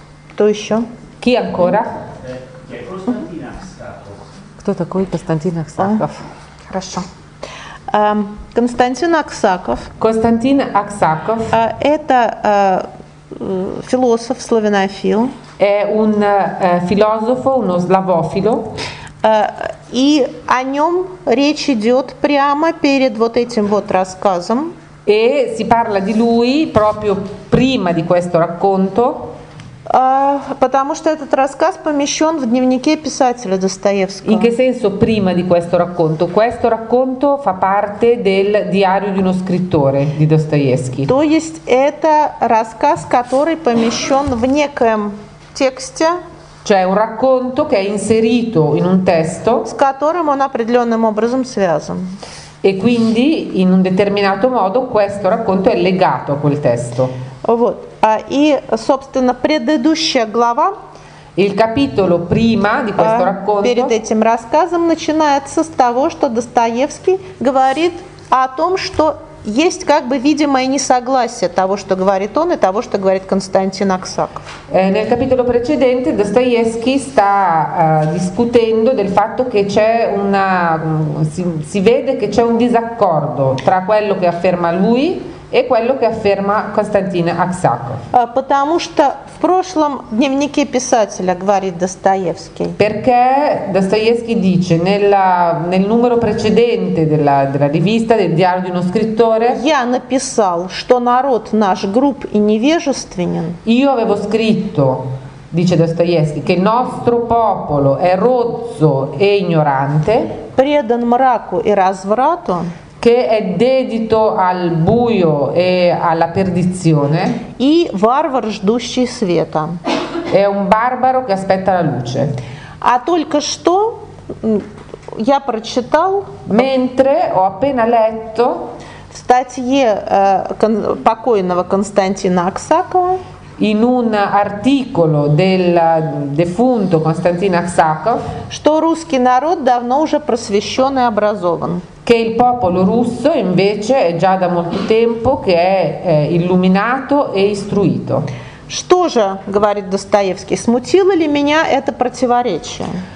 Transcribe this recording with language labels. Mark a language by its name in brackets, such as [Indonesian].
[Russian] Кто еще? [Italian] Chi ancora? [Russian] Кто такой Константин Аксаков? Хорошо. Константин Аксаков. Константин Аксаков. Это философ, славянофил. [Italian] È un filosofo, uno slavofilo. [Russian] И о нем речь идет прямо перед вот этим вот рассказом. [Italian] E si parla di lui proprio prima di questo racconto. [Russian] Потому что этот рассказ помещен в дневнике писателя Достоевского. [Italian] In che senso prima di questo racconto? Questo racconto fa parte del diario di uno scrittore di Dostoevskij. [Russian] То есть это рассказ, который помещен в некоем тексте. [Italian] Cioè un racconto che è inserito in un testo. [Russian] С которым он определенным образом связан. [Italian] E quindi in un determinato modo questo racconto è legato a quel testo. [Russian] Вот. И, собственно, предыдущая глава, [Italian] il capitolo prima di questo racconto, [Russian] перед этим рассказом начинается с того, что Достоевский говорит о том, что есть как бы видимое несогласие того, что говорит он, и того, что говорит Константин Аксаков. [Italian] Nel capitolo precedente Достоевский sta discutendo del fatto che c'è una si vede che c'è un disaccordo tra quello che afferma lui e quello che afferma Constantine Aksakov. [Russian] Потому что в прошлом дневнике писателя говорит Достоевский. [Italian] Perché Dostoevskij dice nel numero precedente della rivista del diario di uno scrittore. [Russian] Я написал, что народ наш груб и невежественен. [Italian] Io avevo scritto, dice Dostoevskij, che il nostro popolo è rozzo e ignorante. [Russian] Предан мраку и разврату. [Italian] Che è dedito al buio e alla perdizione. [Russian] И варвар, ждущий света. [Italian] È un barbaro che aspetta la luce. [Russian] А только что я прочитал. [Italian] Mentre ho appena letto. [Russian] В статье покойного Константина Аксакова. [Italian] In un articolo del defunto Constantin Aksakov. [Russian] Что русский народ давно уже просвещен и образован. [Italian] Che il popolo russo invece è già da molto tempo che è illuminato e istruito. [Russian] Что же, говорит Достоевский, смутило ли меня это противоречие?